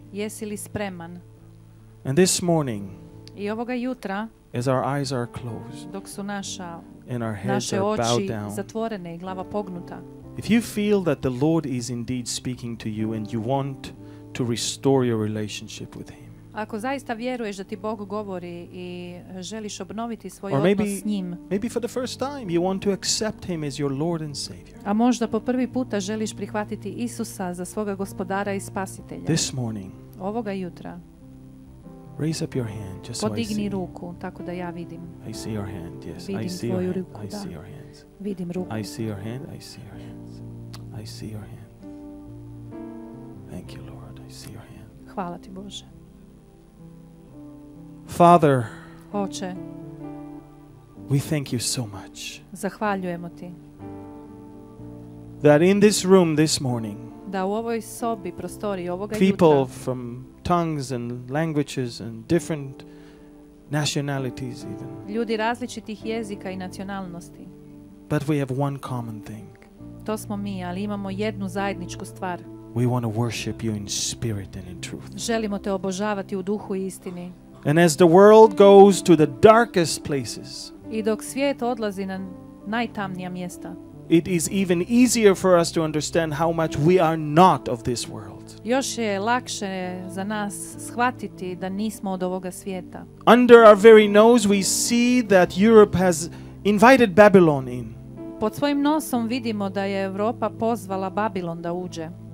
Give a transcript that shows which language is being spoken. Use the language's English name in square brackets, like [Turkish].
[Croatian] Jesi li spreman? [English] And this morning. [Croatian] I ovoga jutra. [English] As our eyes are closed. [Croatian] Dok su naša [English] and our heads are bowed down. [Croatian] Zatvorene i glava pognuta. [English] If you feel that the Lord is indeed speaking to you and you want to restore your relationship with him. [Croatian] Ako zaista vjeruješ da ti Bog govori i želiš obnoviti svoj odnos s njim. [English] Maybe for the first time you want to accept him as your Lord and Savior. [Croatian] A možda po prvi puta želiš prihvatiti Isusa za svoga gospodara i spasitelja. [English] This morning. [Croatian] Ovoga jutra. [English] Raise up your hand just [Croatian] podigni [English] so I [Croatian] ruku [English] see. [Croatian] Tako da ja vidim. [English] I see your hand. Yes, [Croatian] vidim [English] I see your [Croatian] ruku, [English] I see your hands. [Croatian] Vidim ruku. [English] I see your hand. I see your hands. I see your hand. Thank you, Lord. I see your hand. [Croatian] Hvala ti Bože. [English] Father, [Croatian] Oče, [English] we thank you so much. [Croatian] Zahvaljujemo ti. [English] That in this room this morning, [Croatian] da u ovoj sobi, prostoriji ovoga jutra, [English] people from tongues and languages and different nationalities even, [Croatian] ljudi različitih jezika i nacionalnosti, [English] but we have one common thing. [Croatian] To smo mi, ali imamo jednu zajedničku stvar. [English] We want to worship you in spirit and in truth. [Croatian] Želimo te obožavati u duhu i istini. [English] And as the world goes to the darkest places, [Croatian] i dok svijet odlazi na najtamnija mjesta, [English] it is even easier for us to understand how much we are not of this world. [Croatian] Još je lakše za nas shvatiti da nismo od ovoga svijeta. [English] Under our very nose we see that Europe has invited Babylon in. [Croatian] Pod svojim nosom vidimo da je Europa pozvala Babilon da uđe.